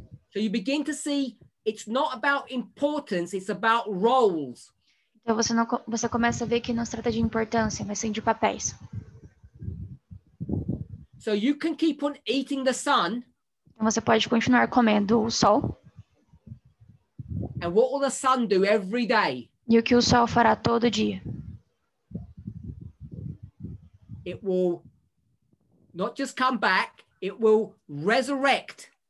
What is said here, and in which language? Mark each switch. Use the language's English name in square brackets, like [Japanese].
[English] So you begin to see it's not about importance, it's about roles. [Portuguese] Então você começa a ver que não se trata de importância, mas sim de papéis. [English] So you can keep on eating the sun. [Portuguese] Então você pode continuar comendo o sol. [English] And what will the sun do every day? [Portuguese] E o que o sol fará todo dia? [English] It will not just come back, it will resurrect.